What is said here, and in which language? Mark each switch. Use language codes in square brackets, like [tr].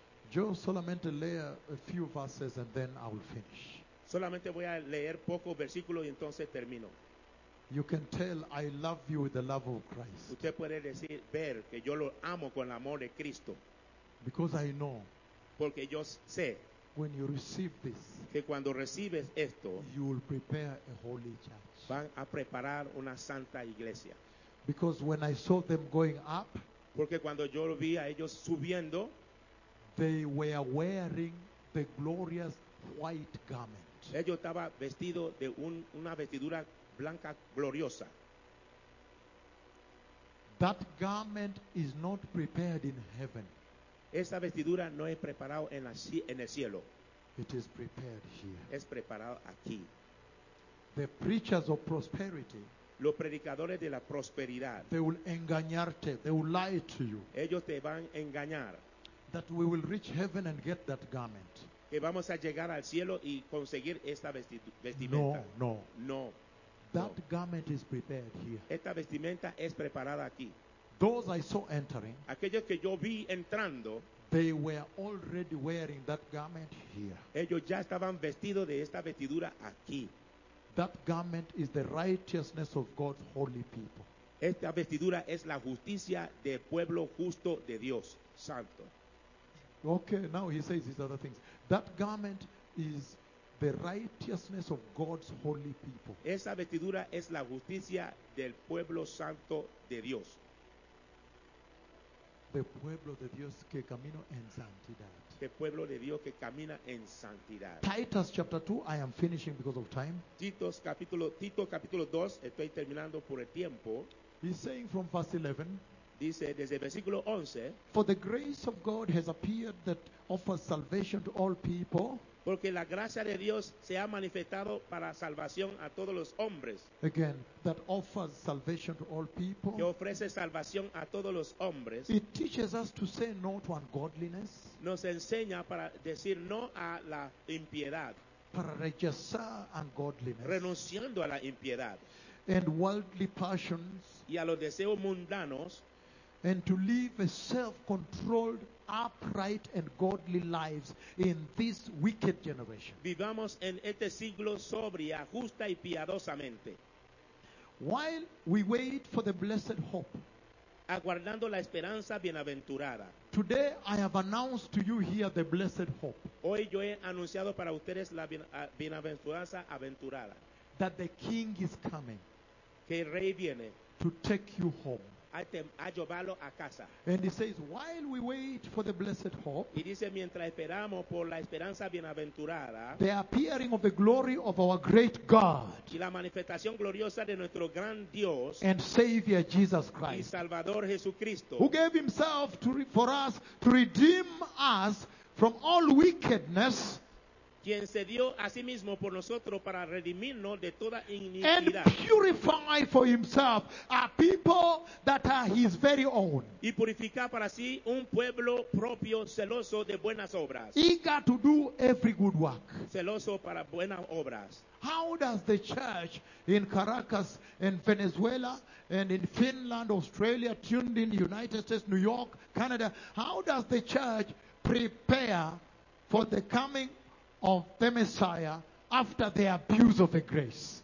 [es] Yo solamente leo [en] a few verses and then I will finish. [es] Solamente voy a leer pocos versículos y entonces termino. [en] You can tell I love you with the love of Christ. [es] Usted puede decir ver que yo lo amo con el amor de Cristo. [en] Because I know. [es] Porque yo sé. [en] When you receive this, [es] que cuando recibes esto, [en] you will prepare a holy church. [es] Van a preparar una santa iglesia. [en] Because when I saw them going up, [es] porque cuando yo vi a ellos subiendo, [en] they were wearing the glorious white garment. [es] Ellos estaban vestidos de una vestidura blanca gloriosa. [en] That garment is not prepared in heaven. [es] Esa vestidura no es preparada en el cielo. [en] It is prepared here. [es] Es preparado aquí. [en] The preachers of prosperity, [es] los predicadores de la prosperidad, [en] they will engañarte, they will lie to you, [es] ellos te van a engañar, [en] that we will reach heaven and get that garment, [es] que vamos a llegar al cielo y conseguir esta vestimenta. [en] No, that [es] no. [en] Garment is prepared here. [es] Esta vestimenta es preparada aquí. [en] Those I saw entering, [es] aquellos que yo vi entrando, [en] they were already wearing that garment here. [es] Ellos ya estaban vestidos de esta vestidura aquí. [en] That garment is the righteousness of God's holy people. [es] Esta vestidura es la justicia del pueblo justo de Dios, santo. [en] Okay, now he says these other things. That garment is the righteousness of God's holy people. [es] Esa vestidura es la justicia del pueblo santo de Dios. De pueblo de Dios que camina en santidad. De pueblo de Dios que camina en santidad. [en] Titus chapter 2, I am finishing because of time. [es] Tito capítulo 2, estoy terminando por el tiempo. [en] He's saying from verse 11. [es] Dice desde el versículo 11. [en] For the grace of God has appeared that offers salvation to all people. [es] Porque la gracia de Dios se ha manifestado para salvación a todos los hombres. [en] Again, that offers salvation to all people. [es] Que ofrece salvación a todos los hombres. [en] It teaches us to say no to ungodliness. [es] Nos enseña para decir no a la impiedad. Para rechazar ungodliness. Renunciando a la impiedad. [en] And worldly passions. [es] Y a los deseos mundanos. [en] And to live a self-controlled, upright, and godly lives in this wicked generation. [es] Vivamos en este siglo sobria, justa y piadosamente. [en] While we wait for the blessed hope, [es] aguardando la esperanza bienaventurada. [en] Today I have announced to you here the blessed hope. [es] Hoy yo he anunciado para ustedes la bienaventuranza aventurada. [en] That the King is coming. [es] Que el rey viene. [en] To take you home. [es] A llevarlo a casa. [en] And he says, while we wait for the blessed hope, [es] y dice, mientras esperamos por la esperanza bienaventurada, [en] the appearing of the glory of our great God, [es] y la manifestación gloriosa de nuestro gran Dios, [en] and Savior Jesus Christ, [es] y Salvador Jesucristo, [en] who gave himself for us to redeem us from all wickedness, [es] quien se dio a sí mismo por nosotros para redimirnos de toda iniquidad. [en] And purify for himself a people that are his very own. [es] Y purificar para sí un pueblo propio celoso de buenas obras. [en] Eager to do every good work. [es] Celoso para buenas obras. [en] How does the church in Caracas, in Venezuela, and in Finland, Australia, tuned in United States, New York, Canada, how does the church prepare for the coming of the Messiah after the abuse of the grace?